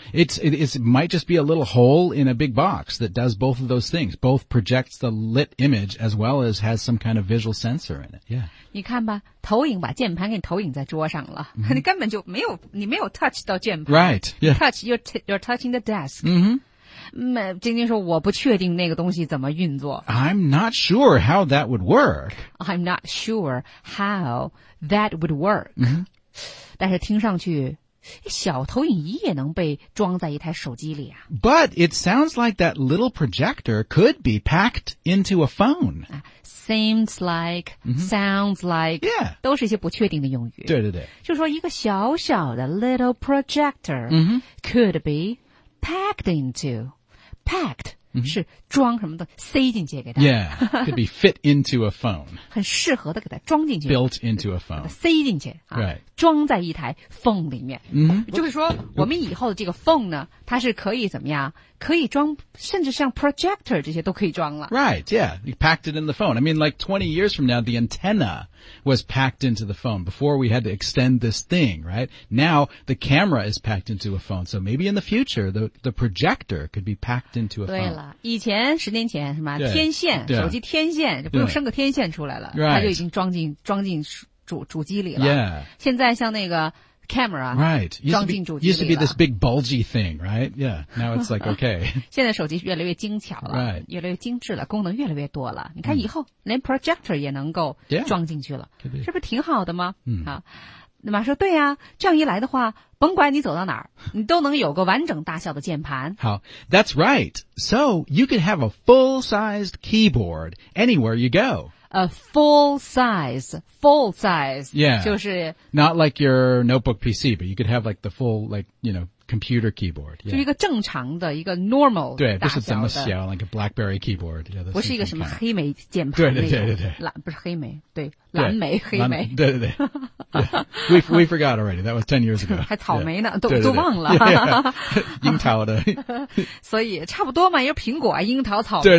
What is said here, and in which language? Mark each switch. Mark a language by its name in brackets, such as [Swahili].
[English] It might just be a little hole in a big box that does both of those things. Both projects the lit image as well as has some kind of visual sensor in it. Yeah. [Chinese] 你看吧投影把键盘给你投影在桌上了、 mm-hmm. 你根本就没有你没有 touch 到键盘。 [English] Right. Yeah. You're touching the desk. Mm-hmm. [Chinese] 晶晶说我不确定那个东西怎么运作。 [English] I'm not sure how that would work. I'm not sure how that would work.、 Mm-hmm. [Chinese] 但是听上去小投影仪也能被装在一台手机里啊。 [English] But it sounds like that little projector could be packed into a phone.、 Seems like,、 mm-hmm. sounds like,、 yeah. [Chinese] 都是一些不确定的用语。对对对。就说一个小小的 [English] little projector、 mm-hmm. could bePacked into. Packed、 mm-hmm. [Chinese] 是装什么的塞进去给它。 [English] Yeah, could be fit into a phone. [Chinese] 很适合的给它装进去。 [English] Built into a phone. [Chinese] 塞进去、啊。 [English] Right. [Chinese] 装在一台 phone 里面。 Mm-hmm. 就是说我们以后的这个 phone 呢它是可以怎么样可以装甚至像 projector 这些都可以装了。 [English] Right, yeah. You packed it in the phone. I mean, like 20 years from now, the antenna was packed into the phone before we had to extend this thing, right? Now, the camera is packed into a phone. So maybe in the future, the projector could be packed into a phone. [Chinese] 对了以前十年前什么、yeah. 天线、 [English] yeah. [Chinese] 手机天线就不用生个天线出来了、 [English] yeah. [Chinese] 它就已经装进主机里了。 [English] Yeah. [Chinese] 现在像那个camera, [English] right. Used to be this big bulgy thing, right? Yeah. Now it's like, okay. [Chinese] 现在手机越来越精巧了。 [English] Right. [Chinese] 越来越精致了功能越来越多了。你看以后、mm. 连 projector 也能够装进去了。 [English] Yeah. [Chinese] 是不是挺好的吗、 mm. 啊、那么说对啊这样一来的话甭管你走到哪儿你都能有个完整大小的键盘。 [English] 好 That's right. So you can have a full-sized keyboard anywhere you go. A full size. Yeah. [Chinese] 就是 [English] Not like your notebook PC, but you could have like the full, like, you know, computer keyboard.、Yeah. [Chinese] 就一个正常的一个 normal 对不是这么小 [English] like a BlackBerry keyboard. Yeah, [Chinese] 不是一个什么黑莓键盘。对。不是黑莓对蓝莓对黑莓。 [English] 对。Yeah. We forgot already. That was 10 years ago. [Chinese] 还草莓呢、yeah. 都忘了。 [English] Yeah, yeah. [Chinese] 樱桃的。所以差不多嘛有苹果啊樱桃草莓啊